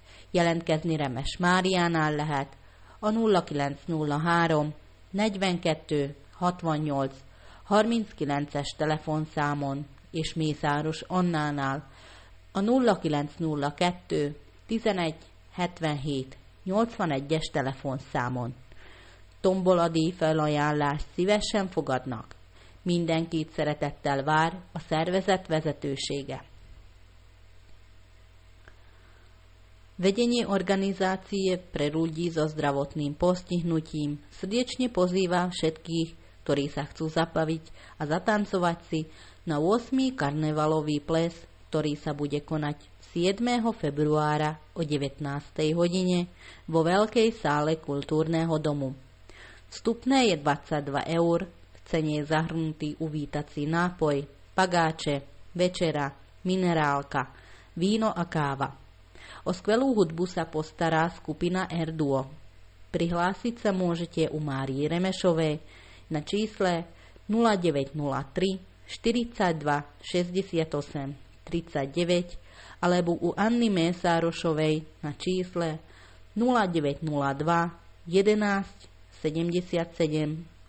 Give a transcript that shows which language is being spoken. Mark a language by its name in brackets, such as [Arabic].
[Hungarian] Jelentkezni Remes Máriánál lehet a 0903 42 68 39-es telefonszámon és Mészáros Annánál a 0902 11 77 81-es telefonszámon. Tombola díj felajánlást szívesen fogadnak. Mindenkit szeretettel vár a szervezet vezetősége. [Slovak] Vedenie organizácie pre ľudí so zdravotným postihnutím srdečne pozýva všetkých, ktorí sa chcú zapaviť a zatancovať si na 8. karnevalový ples, ktorý sa bude konať 7. februára o 19. hodine vo Veľkej sále kultúrneho domu. Vstupné je 22 eur, v cene je zahrnutý uvítací nápoj, pagáče, večera, minerálka, víno a káva. O skvelú hudbu sa postará skupina Air Duo. Prihlásiť sa môžete u Márie Remešovej na čísle 0903 42 68 39 alebo u Anny Mésárošovej na čísle 0902 11 77 81.